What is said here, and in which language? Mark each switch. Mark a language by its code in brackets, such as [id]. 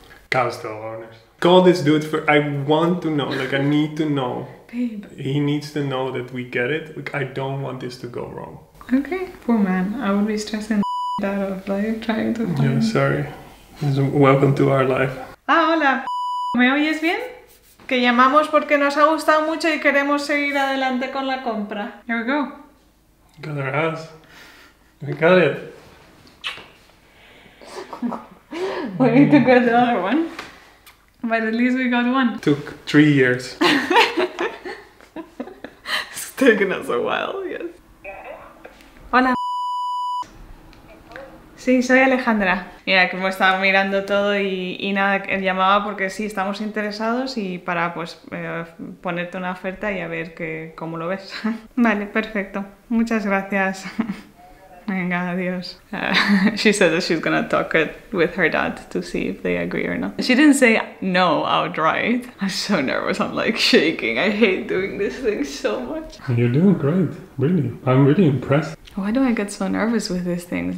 [en] Cow still owners. Call this dude for... I want to know. Like, I need to know. Babe. He needs to know that we get it. Like, I don't want this to go wrong. Okay. Poor man. I would be stressing the out of life trying to find... Yeah, sorry. Welcome to our life. [es] Ah, hola. ¿Me oyes bien? Que llamamos porque nos ha gustado mucho y queremos seguir adelante con la compra. [en] Here we go. Got our house. We got it. We need to get the other one. But at least we got one. Took 3 years. It's taken us a while, yes. Hola. [es] Sí, soy Alejandra. Mira, como estaba mirando todo y nada, llamaba porque sí, estamos interesados y para pues ponerte una oferta y a ver que, cómo lo ves. Vale, perfecto. Muchas gracias. Venga, adiós. [en] She said that she's gonna talk it with her dad to see if they agree or not. She didn't say no outright. I'm so nervous, I'm like shaking. I hate doing this thing so much. You're doing great, really. I'm really impressed. Why do I get so nervous with these things?